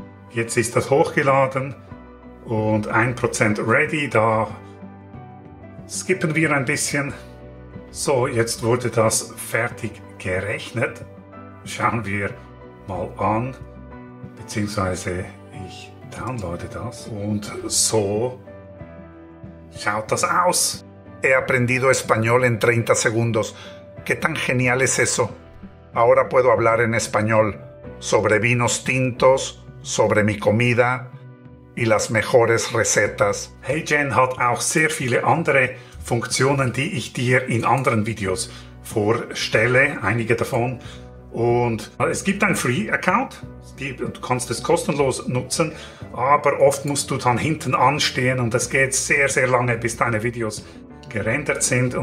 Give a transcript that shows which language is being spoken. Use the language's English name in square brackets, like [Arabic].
[German] Jetzt ist das hochgeladen und 1% ready, da skippen wir ein bisschen. So, jetzt wurde das fertig gerechnet. Schauen wir mal an, beziehungsweise ich downloade das. Und so schaut das aus. [Spanish] He aprendido español en 30 segundos. ¿Qué tan genial es eso? Ahora puedo hablar en español sobre vinos tintos, sobre mi comida y las mejores recetas. [German] HeyGen hat auch sehr viele andere Funktionen, die ich dir in anderen Videos vorstelle, einige davon. Und es gibt einen Free-Account, du kannst es kostenlos nutzen, aber oft musst du dann hinten anstehen und es geht sehr, sehr lange, bis deine Videos gerendert sind.